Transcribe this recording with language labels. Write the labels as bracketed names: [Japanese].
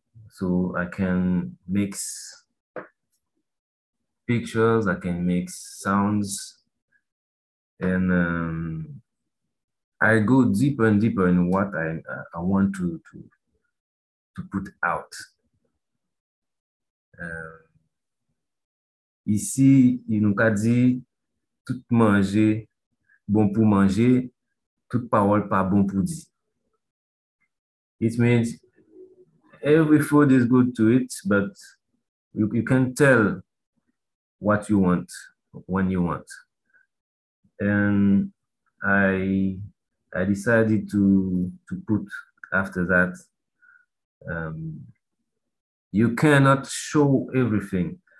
[English] So I can mix pictures, I can mix sounds, and I go deeper and deeper in what I want to put out. [French] Ici, il nous a dit, tout manger, bon pour manger, toute parole pas bon pour dire. [English] It means every food is good to eat, but you can tell what you want when you want. And I decided to put after that, you cannot show everything.